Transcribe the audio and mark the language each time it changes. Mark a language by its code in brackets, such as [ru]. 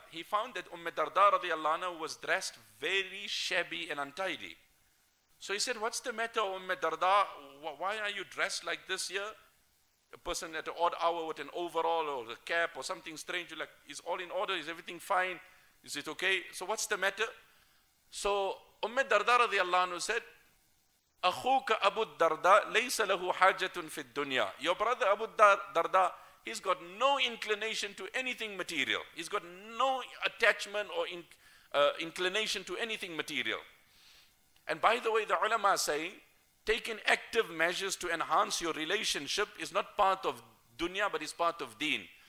[en] He found that Umm al-Darda radiallahu anhu was dressed very shabby and untidy. So he said, "What's the matter, Umm al-Darda? Why are you dressed like this here?" A person at an odd hour with an overall or a cap or something strange, you're like, "Is all in order? Is everything fine? Is it okay? So what's the matter?" So Umm al-Darda radiallahu anhu said, [ar] أَخُوكَ أَبُو الدَّرْدَى لَيْسَ لَهُ حَاجَةٌ فِي الدُّنْيَا. [en] Your brother Abu Darda, he's got no inclination to anything material. He's got no attachment or inclination to anything material. And by the way, the ulama say, taking active measures to enhance your relationship is not part of dunya, but is part of deen.